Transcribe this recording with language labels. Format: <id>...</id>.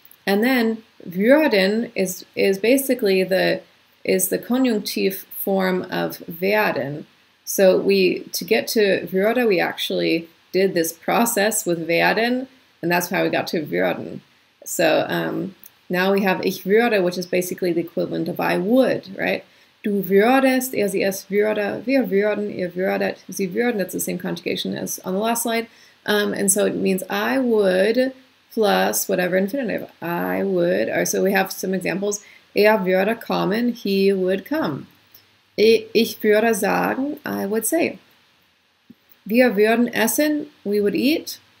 <en>And then würden is basically the konjunktiv form of werden. So to get to würde, we actually did this process with werden, and that's how we got to würden. So now we have</en> <de>ich würde,</de> <en>which is basically the equivalent of I would, right?</en> <de>Du würdest, er, sie, es würde, wir würden, ihr würdet, sie würden.</de> <en>That's the same conjugation as on the last slide. And so it means I would plus whatever infinitive. I would. Or so we have some examples.</en> <de>Er würde kommen,</de> <en>he would come.</en> <de>Ich würde sagen,</de> <en>I would say.</en> <de>Wir würden essen,</de> <en>we would eat.</en>